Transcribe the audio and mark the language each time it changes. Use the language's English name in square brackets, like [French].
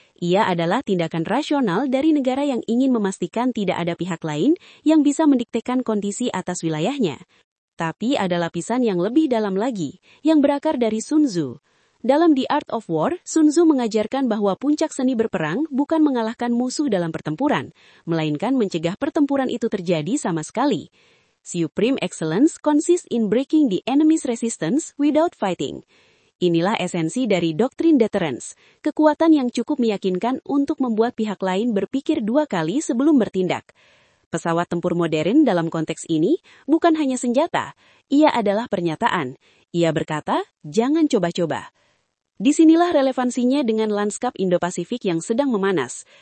[Indonesian] Ia adalah tindakan rasional dari negara yang ingin memastikan tidak ada pihak lain yang bisa mendiktekan kondisi atas wilayahnya. Tapi ada lapisan yang lebih dalam lagi, yang berakar dari Sun Tzu. Dalam The Art of War, Sun Tzu mengajarkan bahwa puncak seni berperang bukan mengalahkan musuh dalam pertempuran, melainkan mencegah pertempuran itu terjadi sama sekali. [English] Supreme excellence consists in breaking the enemy's resistance without fighting. [Indonesian] Inilah esensi dari doktrin deterrence, kekuatan yang cukup meyakinkan untuk membuat pihak lain berpikir dua kali sebelum bertindak. Pesawat tempur modern dalam konteks ini bukan hanya senjata, ia adalah pernyataan. Ia berkata, jangan coba-coba. Disinilah relevansinya dengan lanskap Indo-Pasifik yang sedang memanas.